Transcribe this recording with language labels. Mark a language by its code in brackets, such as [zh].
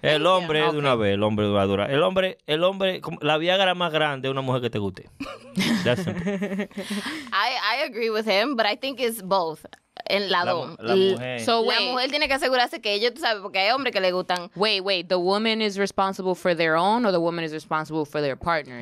[es] El hombre es de una vez. El hombre es duradura. El hombre, la viagra más grande es una mujer que te guste. [en] That's simple. I agree with him, but I think it's both. [es] En la mujer. La mujer tiene que asegurarse que ellos, tú sabes, porque hay hombres que le gustan. [en] Wait, the woman is responsible for their own or the woman is responsible for their partner?